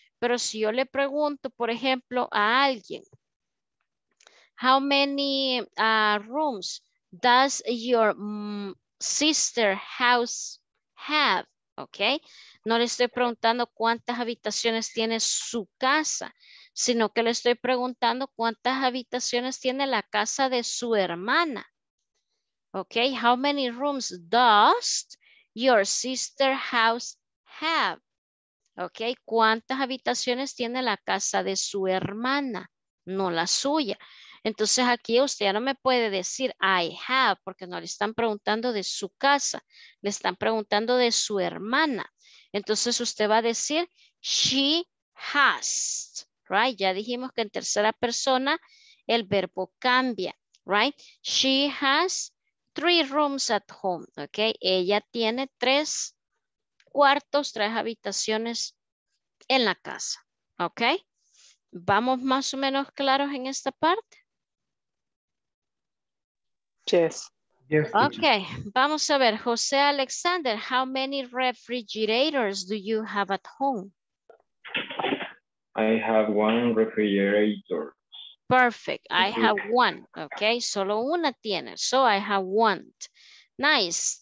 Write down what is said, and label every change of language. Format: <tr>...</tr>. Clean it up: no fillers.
<es>Pero si yo le pregunto, por ejemplo, a alguien,</es> <en>how many rooms does your sister house have? Okay.</en> <es>No le estoy preguntando cuántas habitaciones tiene su casa, sino que le estoy preguntando cuántas habitaciones tiene la casa de su hermana.</es> <en>Okay. How many rooms does your sister house have?</en> <es>Ok, ¿cuántas habitaciones tiene la casa de su hermana? No la suya. Entonces aquí usted ya no me puede decir</es> <en>I have,</en> <es>porque no le están preguntando de su casa, le están preguntando de su hermana. Entonces usted va a decir</es> <en>she has, right?</en> <es>Ya dijimos que en tercera persona el verbo cambia, right?</es> <en>She has three rooms at home, ok?</en> <es>Ella tiene tres cuartos, tres habitaciones en la casa. ¿Ok? ¿Vamos más o menos claros en esta parte?</es> <en>Yes. Yes,</en> <es>ok, vamos a ver.</es> <en>José Alexander, how many refrigerators do you have at home? I have one refrigerator. Perfect. I have one. Ok,</en> <es>solo una tiene.</es> <en>So I have one. Nice.</en>